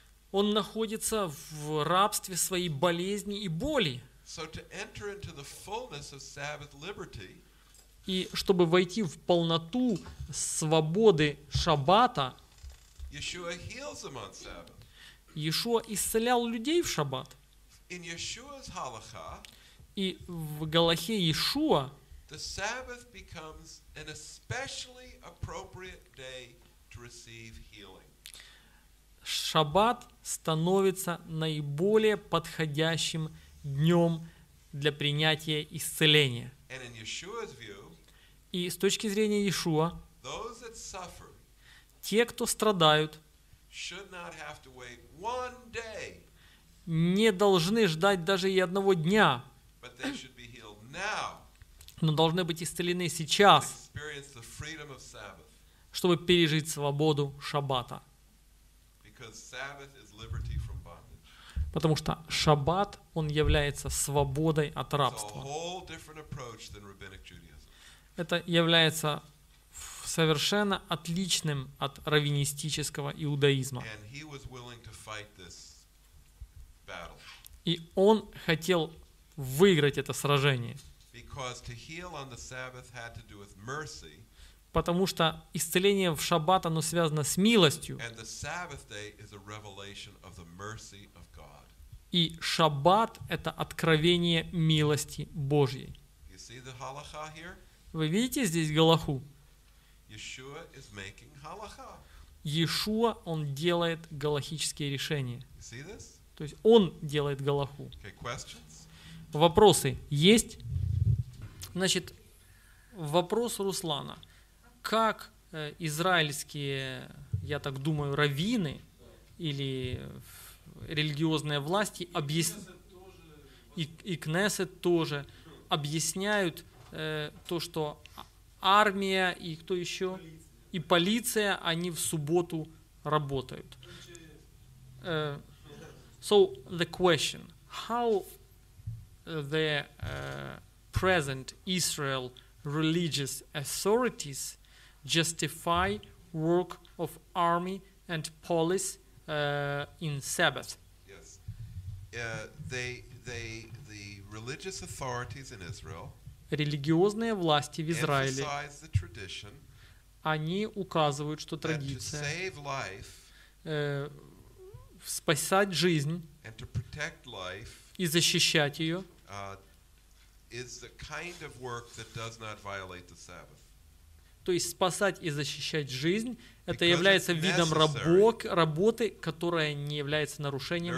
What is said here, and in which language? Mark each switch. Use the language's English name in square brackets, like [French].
[Russian] Он находится в рабстве своей болезни и боли. [English] So to enter into the fullness of Sabbath liberty, [Russian] и чтобы войти в полноту свободы шаббата, [English] Yeshua heals them on Sabbath. [Russian] Иешуа исцелял людей в шаббат. [English] In Yeshua's halakha, [Russian] и в галахе Иешуа, [English] the Sabbath becomes an especially appropriate day to receive healing. [Russian] Шаббат становится наиболее подходящим днем для принятия исцеления. [English] And in Yeshua's view, [Russian] и с точки зрения Иешуа, [English] those that suffer, [Russian] те, кто страдают, [English] should not have to wait one day, [Russian] не должны ждать даже и одного дня, [English] but they should be healed now, [Russian] но должны быть исцелены сейчас, [English] experience the freedom of Sabbath, [Russian] чтобы пережить свободу Шаббата. [English] Because Sabbath is liberty from bondage. [Russian] Потому что Шаббат, он является свободой от рабства. [English] It's a whole different approach than rabbinic Judaism. [Russian] Это является совершенно отличным от раввинистического иудаизма. [English] And he was willing to fight this battle. [Russian] И он хотел выиграть это сражение. [English] Because to heal on the Sabbath had to do with mercy. [Russian] Потому что исцеление в Шаббат, оно связано с милостью. [English] And the Sabbath day is a revelation of the mercy of God. [Russian] И Шаббат – это откровение милости Божьей. [English] You see the halacha here? [Russian] Вы видите здесь галаху? [English] Yeshua is making halacha. [Russian] Иешуа, он делает галахические решения. [English] You see this? [Russian] То есть он делает галаху. [English] Okay, questions? [Russian] Вопросы есть? Значит, вопрос Руслана. Как израильские, я так думаю, раввины или религиозные власти и кнессет тоже объясняют то, что армия и кто еще? Полиция. И полиция, они в субботу работают. [English] So, the question. How the present Israel religious authorities justify work of army and police in Sabbath? Yes. The religious authorities in Israel, [Russian] религиозные власти в Израиле, [English] emphasize the tradition, [Russian] они указывают, что традиция, [English] that to save life, [Russian] спасать жизнь [English] and to protect life, [Russian] и защищать ее, [English] is the kind of work that does not violate the Sabbath. [Russian] То есть спасать и защищать жизнь, это является видом работы, которая не является нарушением